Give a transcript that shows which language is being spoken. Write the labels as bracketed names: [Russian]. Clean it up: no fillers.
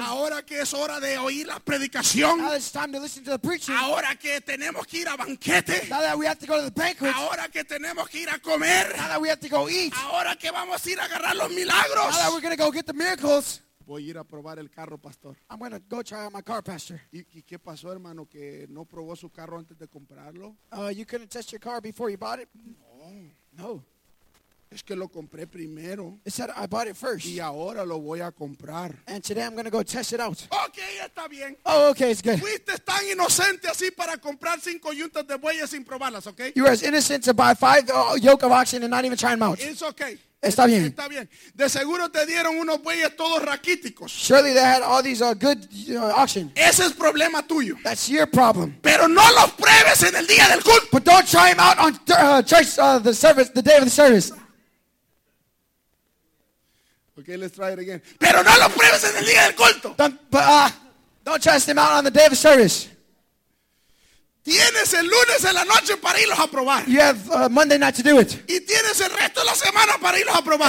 [Spanish] Ahora que es hora de oír la predicación. [English] Now that it's time to listen to the preaching. [Spanish] Ahora que tenemos que ir a banquete. [English] Now that we have to go to the banquet. [Spanish] Ahora que tenemos que ir a comer. [English] Now that we have to go eat. [Spanish] Ahora que vamos a ir a agarrar los milagros. [English] Now that we're going to go get the miracles. [Spanish] Voy a ir a probar el carro, pastor. [English] I'm going to go try out my car, pastor. [Spanish] ¿Y qué pasó, hermano, que no probó su carro antes de comprarlo? [English] You couldn't test your car before you bought it? [Spanish] No. [English] No. [Spanish] Es que lo compré primero. [English] It said I bought it first. [Spanish] Y ahora lo voy a comprar. [English] And today I'm going to go test it out. [Spanish] Okay, está bien. [English] Oh, okay, it's good. [Spanish] Fuiste tan inocente así para comprar 5 yuntas de bueyes sin probarlas, okay? [English] You were as innocent to buy 5 yoke of oxen and not even try them out. It's okay. [Spanish] Está bien. Está bien. De seguro te dieron unos bueyes todos raquíticos. [English] Surely they had all these good auction. [Spanish] Ese es problema tuyo. [English] That's your problem. [Spanish] Pero no los pruebes en el día del culto. [English] But don't try them out on church the service, the day of the service. Okay, let's try it again. [Spanish] Pero no los pruebes en el día del culto. [English] Don't try them out on the day of the service. [Spanish] Tienes el lunes en la noche para irlos a probar. [English] You have Monday night to do it. [Spanish] Y tienes el resto de la semana para irlos a probar.